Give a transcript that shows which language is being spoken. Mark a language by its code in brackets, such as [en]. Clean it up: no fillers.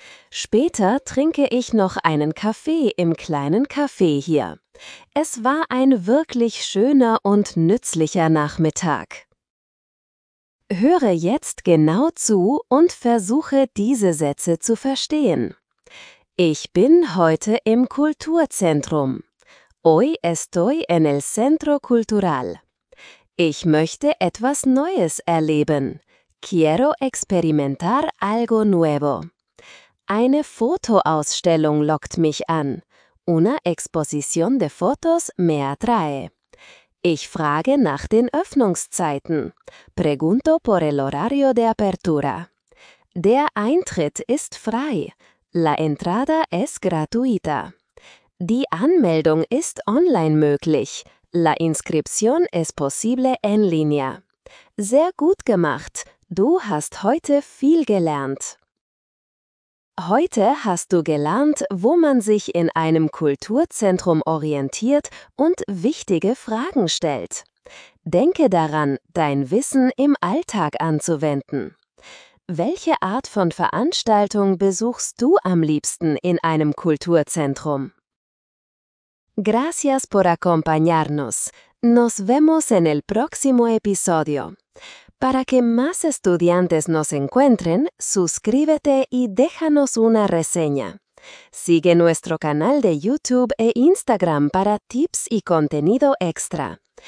[de] Später trinke ich noch einen Kaffee im kleinen Café hier. Es war ein wirklich schöner und nützlicher Nachmittag. Höre jetzt genau zu und versuche, diese Sätze zu verstehen. Ich bin heute im Kulturzentrum. [es] Hoy estoy en el Centro Cultural. [de] Ich möchte etwas Neues erleben. [es] Quiero experimentar algo nuevo. [de] Eine Fotoausstellung lockt mich an. [es] Una exposición de fotos me atrae. [de] Ich frage nach den Öffnungszeiten. [es] Pregunto por el horario de apertura. [de] Der Eintritt ist frei. [es] La entrada es gratuita. [de] Die Anmeldung ist online möglich. [es] La inscripción es posible en línea. [de] Sehr gut gemacht. Du hast heute viel gelernt. Heute hast du gelernt, wo man sich in einem Kulturzentrum orientiert und wichtige Fragen stellt. Denke daran, dein Wissen im Alltag anzuwenden. Welche Art von Veranstaltung besuchst du am liebsten in einem Kulturzentrum? [es] Gracias por acompañarnos. Nos vemos en el próximo episodio. Para que más estudiantes nos encuentren, suscríbete y déjanos una reseña. Sigue nuestro canal de YouTube e Instagram para tips y contenido extra.